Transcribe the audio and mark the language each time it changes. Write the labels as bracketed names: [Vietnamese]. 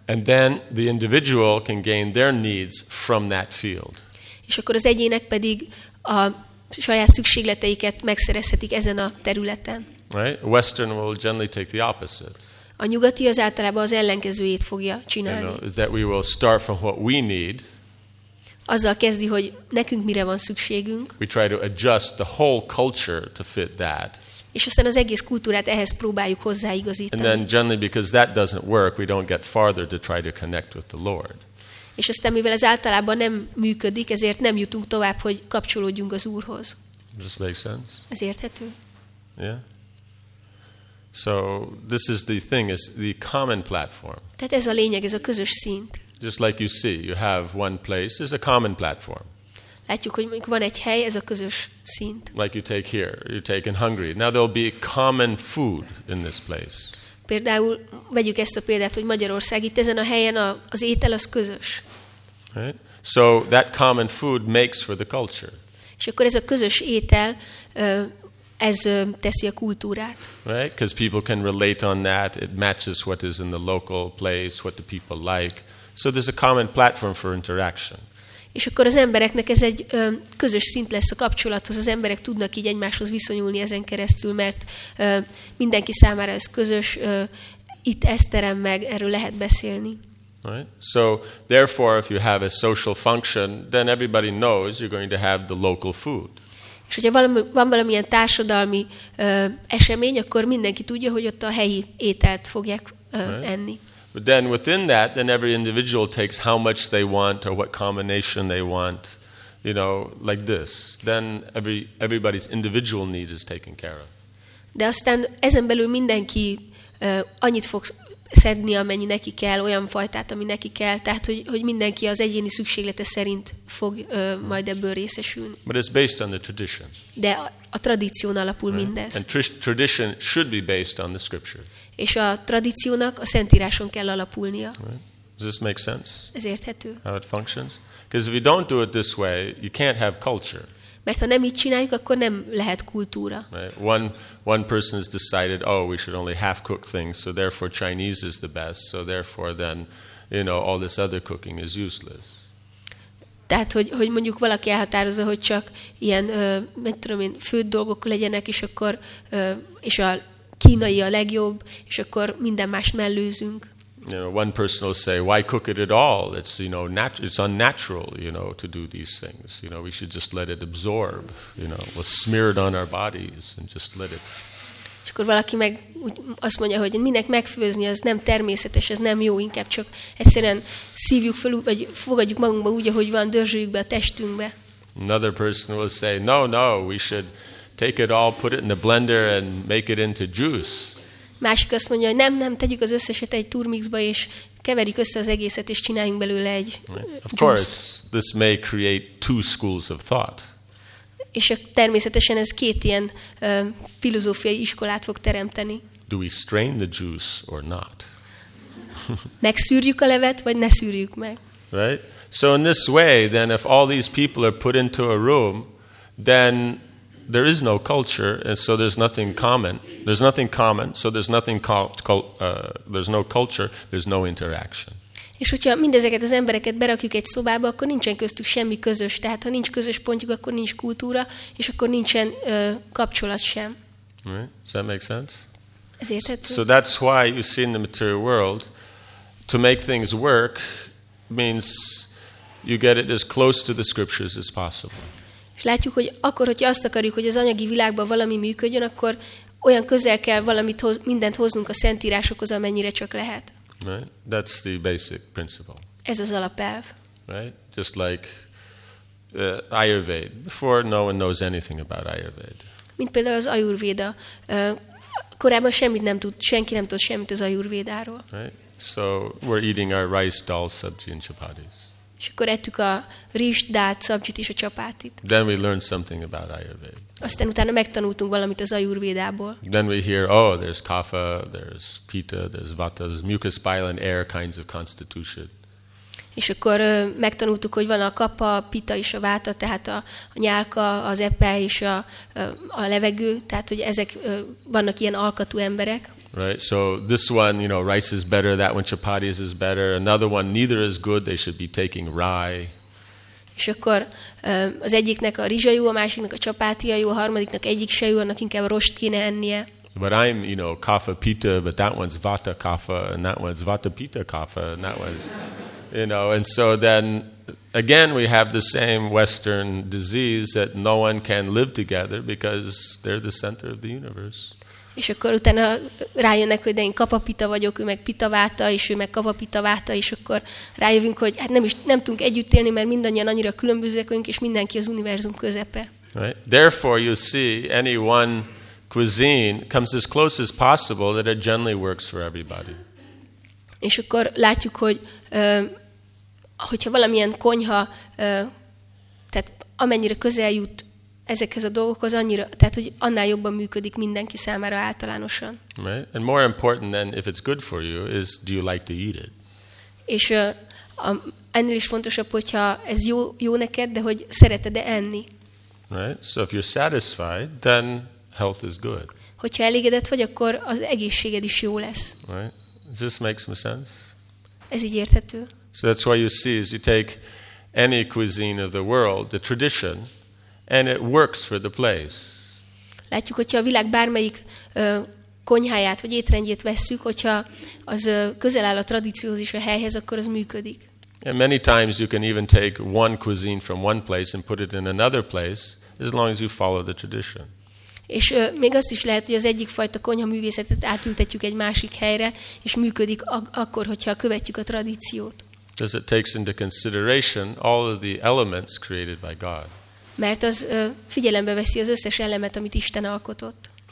[English] And then the individual can gain their needs from that field. [Hungarian] És akkor az egyének pedig a saját szükségleteiket megszerezhetik ezen a területen. [English] Right? Western will generally take the opposite. [Hungarian] A nyugati az általában az ellenkezőjét fogja csinálni. [English] You know, that we will start from what we need. [Hungarian] Azzal kezdi, hogy nekünk mire van szükségünk. [English] We try to adjust the whole culture to fit that. [Hungarian] És aztán az egész kultúrát ehhez próbáljuk hozzáigazítani. [English] And then generally because that doesn't work, we don't get farther to try to connect with the Lord. [Hungarian] És aztán mivel ez általában nem működik, ezért nem jutunk tovább, hogy kapcsolódjunk az Úrhoz. [English] Does this make sense? [Hungarian] Ez érthető? [English] Yeah. So this is the thing, is the common platform. [Hungarian] Tehát ez a lényeg, ez a közös szint. [English] Just like you see, you have one place, is a common platform. [Hungarian] Látjuk, hogy mondjuk van egy hely, ez a közös szint. [English] Like you take here, you take in Hungary. Now there'll be common food in this place. [Hungarian] Például vegyük ezt a példát, hogy Magyarország itt ezen a helyen az étel az közös. [English] Right? So that common food makes for the culture. [Hungarian] És akkor ez a közös étel ez teszi a kultúrát. [English] Right? Because people can relate on that. It matches what is in the local place, what the people like. So there's a common platform for interaction. [Hungarian] És akkor az embereknek ez egy közös szint lesz a kapcsolathoz, az emberek tudnak így egymáshoz viszonyulni ezen keresztül, mert mindenki számára ez közös, itt ez terem meg, erről lehet beszélni. [English] Right. So therefore if you have a social function, then everybody knows you're going to have the local food. [Hungarian] És hogyha van valamilyen társadalmi esemény, akkor mindenki tudja, hogy ott a helyi ételt fogják enni. [English] But then within that, then every individual takes how much they want or what combination they want, you know, like this. Then everybody's individual need is taken care of. [Hungarian] De aztán ezen belül mindenki annyit fog szedni, amennyi neki kell, olyan fajtát, ami neki kell, tehát hogy mindenki az egyéni szükséglete szerint fog majd ebből részesülni. [English] But it's based on the tradition. [Hungarian] De a tradíción alapul mindez. [English] And tradition should be based on the scripture. [Hungarian] És a tradíciónak a Szentíráson kell alapulnia. [English] Right. Does this make sense? [Hungarian] Ez érthető. [English] How it functions? Because if you don't do it this way, you can't have culture. [Hungarian] Mert ha nem így csináljuk, akkor nem lehet kultúra. [English] Right. One person has decided, oh, we should only half cook things, so therefore Chinese is the best, so therefore then, you know, all this other cooking is useless. [Hungarian] Tehát, hogy mondjuk valaki elhatározza, hogy csak ilyen, mit tudom én, főtt dolgok legyenek, és akkor, és a kínai a legjobb, és akkor minden más mellőzünk. [English] You know, one person will say, why cook it at all? It's, you know, it's unnatural, you know, to do these things. You know, we should just let it absorb, you know, we'll smear it on our bodies and just let it. [Hungarian] És akkor valaki meg azt mondja, hogy minek megfőzni, az nem természetes, ez nem jó, inkább csak egyszerűen szívjuk fel, vagy fogadjuk magunkba úgy, ahogy van, dörzsöljük be a testünkbe. [English] Another person will say, no, we should take it all, put it in the blender and make it into juice. [Hungarian] Másik azt mondja, hogy nem, tegyük az összeset egy turmixba, és keverjük össze az egészet, és csináljunk belőle egy [English] Of course, this may create two schools of thought. [Hungarian] És természetesen ez két ilyen filozófiai iskolát fog teremteni. [English] Do we strain the juice or not? [Hungarian] Megszűrjük a levet, vagy ne szűrjük meg? [English] Right? So in this way, then if all these people are put into a room, then there is no culture, and so there's nothing common. There's nothing common, so there's nothing there's no culture, there's no interaction. [Hungarian] És hogyha mindezeket az embereket berakjuk egy szobába, akkor nincsen köztük semmi közös. Tehát ha nincs közös pontjuk, akkor nincs kultúra, és akkor nincsen kapcsolat sem. [English] Right. Does that make sense? [Hungarian] Ez érthető. [English] So that's why you see in the material world, to make things work means you get it as close to the scriptures as possible. [Hungarian] És látjuk, hogy akkor, hogyha azt akarjuk, hogy az anyagi világban valami működjön, akkor olyan közel kell valamit mindent hoznunk a szentírásokhoz, amennyire csak lehet. [English] Right? That's the basic principle. [Hungarian] Ez az alapelv. [English] Right? Just like Ayurveda. Before no one knows anything about Ayurveda. [Hungarian] Mint például az Ayurveda. Korábban senki nem tud semmit az Ayurvédáról. [English] Right? So we're eating our rice, dal, sabzi and chapatis. [Hungarian] És akkor ettük a rizst, dát, szabzsit és a csapátit. [English] Then we learned something about Ayurveda. [Hungarian] Aztán utána megtanultunk valamit az Ayurvédából. [English] Then we hear, oh, there's kapha, there's pitta, there's vata, there's mucus, bile and air kinds of constitution. [Hungarian] És akkor megtanultuk, hogy van a kapha, a pitta és a váta, tehát a nyálka, az epe és a levegő, tehát hogy ezek vannak ilyen alkatú emberek. [English] Right, so this one, you know, rice is better, that one chapatis is better, another one neither is good, they should be taking rye. [Hungarian] És akkor az egyiknek a rizsa jó, a másiknak a csapátia jó, a harmadiknak egyik se jó, annak inkább rost kéne ennie. [English] But I'm, you know, kapha pitta, but that one's vata kapha, and that one's vata pitta kapha, and that one's, you know, and so then, again, we have the same Western disease that no one can live together because they're the center of the universe. [Hungarian] És akkor utána rájönnek, hogy de én kapapita vagyok, ő meg pitaváta, és ő meg kapapitaváta, és akkor rájövünk, hogy hát nem tudunk együtt élni, mert mindannyian annyira különbözőek vagyunk, és mindenki az univerzum közepe. [English] Right. Therefore you see any one cuisine comes as close as possible that it generally works for everybody. [Hungarian] És akkor látjuk, hogy hogyha valamilyen konyha, tehát amennyire közel jut ezekhez a dolgokhoz annyira, tehát hogy annál jobban működik mindenki számára általánosan. [English] Right. And more important than if it's good for you is do you like to eat it? [Hungarian] És ennél is fontosabb, hogyha ez jó neked, de hogy szereted-e enni. [English] Right. So if you're satisfied, then health is good. [Hungarian] Hogyha elégedett vagy, akkor az egészséged is jó lesz. [English] Right. Does this make some sense? [Hungarian] Ez így érthető. [English] So that's why you see is you take any cuisine of the world, the tradition, and it works for the place. [Hungarian] Látjuk, hogyha a világ bármelyik konyháját vagy étrendjét vesszük, hogyha az közel áll a tradícióhoz és a helyhez, akkor az működik. [English] And many times you can even take one cuisine from one place and put it in another place as long as you follow the tradition. [Hungarian] És még azt is lehet, hogy az egyik fajta konyha művészetet átültetjük egy másik helyre, és működik akkor, hogyha követjük a tradíciót. [English] Because it takes into consideration all of the elements created by God. [Hungarian] Mert az figyelembe veszi az összes elemet, amit Isten alkotott.